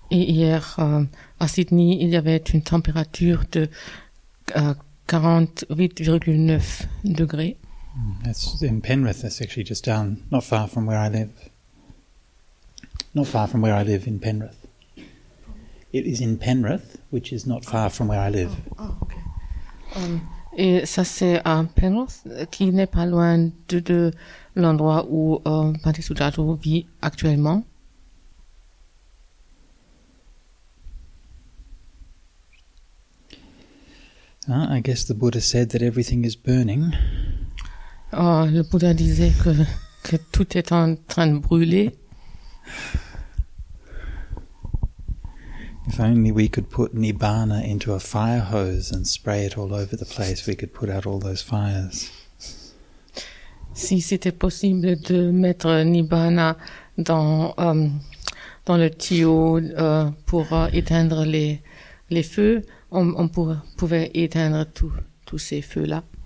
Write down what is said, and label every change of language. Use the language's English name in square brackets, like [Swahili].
[French] Et hier, à Sydney, il y avait une température de 48,9 degrés. [English] That's in Penrith, that's actually just down, not far from where I live. Not far from where I live in Penrith. It is in Penrith, which is not far from where I live. [French] Et ça c'est à Penrith, qui n'est pas loin de l'endroit où Bhante Sujato vit actuellement. [English] I guess the Buddha said that everything is burning. [French] Oh, le Bouddha disait que tout est en train de brûler. [English] If only we could put Nibbana into a fire hose and spray it all over the place, we could put out all those fires. [French] Si c'était possible de mettre Nibbana dans le tuyau pour éteindre les feux, on pouvait éteindre tous ces feux-là.